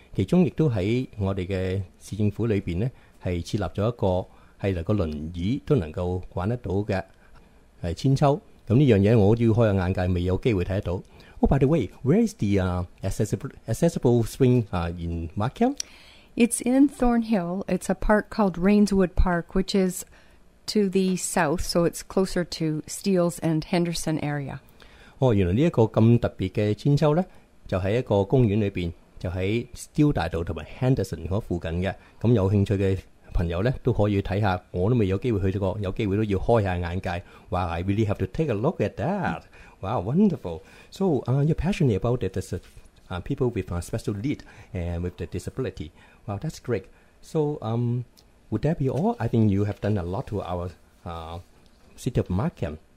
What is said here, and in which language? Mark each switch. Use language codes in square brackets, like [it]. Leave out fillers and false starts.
[zh] 其中亦都喺我哋嘅市政府裏邊咧。是設立了一個是連個輪椅都能夠玩得到的千秋，那這件事我要開眼界未有機會看得到。 [en] Oh, by the way, where is the accessible swing in Markham? It's in Thornhill. It's a park called Rainswood Park, which is to the south, so it's closer to Steeles and Henderson area. [zh] 哦，原來這個這麼特別的千秋呢，就在一個公園裡面，就在 Steel 大道和 Henderson 那附近的，有興趣的朋友呢都可以看看，我都未有機會去過，有機會都要開下眼界。 [en] Wow, I really have to take a look at that. Wow, wonderful. So, you're passionate about people with special needs and with the disability. Wow, that's great. So, would that be all? I think you have done a lot to our city of Markham.